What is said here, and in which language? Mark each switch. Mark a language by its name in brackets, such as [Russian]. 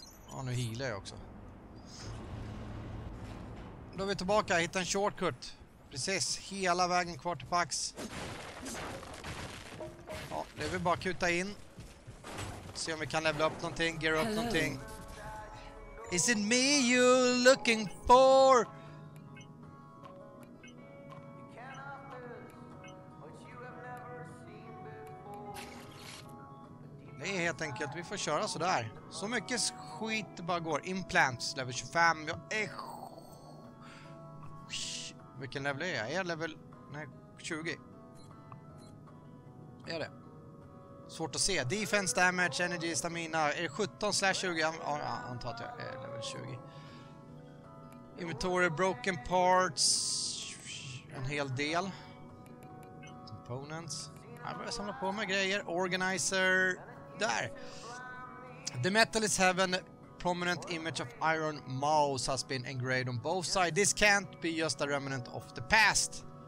[Swedish] Ja, nu healar jag också. Då är vi tillbaka, hittar en shortcut. Precis, hela vägen kvar till Pax. Ja, det vill bara kuta in. Se om vi kan levela upp någonting, gear upp någonting. [English] Is it me you're looking for? [Swedish] Det är helt enkelt, vi får köra så där. Så mycket skit bara går. Implants, level 25. Jag är... Vilken level är jag? Är jag level... Nej, 20. Är det? Svårt att se. Defense, damage, energy, stamina. Är det 17 slash 20? Ja, jag antar att jag är level 20. Inventory, broken parts. En hel del. Components. Jag börjar samla på mig grejer. [English] Organizer. Där. The metal is heaven. Prominent image of Iron Mouse has been engraved on both sides. This can't be just a remnant of the past.